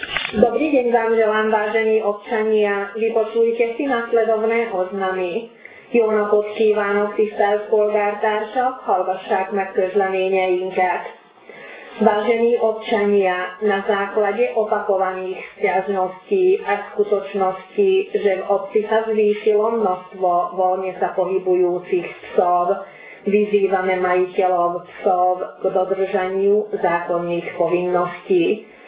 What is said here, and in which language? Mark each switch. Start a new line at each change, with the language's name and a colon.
Slovak: Dobrý deň vám želám, vážení občania. Vypočujte si nasledovné oznamy.
Hungarian: Jónapot kívánok tisztelt polgártársak, hallgassák meg közleményeinket.
Slovak: Vážení občania, na základe opakovaných sťažností a skutočností, že v obci sa zvýšilo množstvo voľne sa pohybujúcich psov, vyzývame majiteľov psov k dodržaniu zákonných povinností.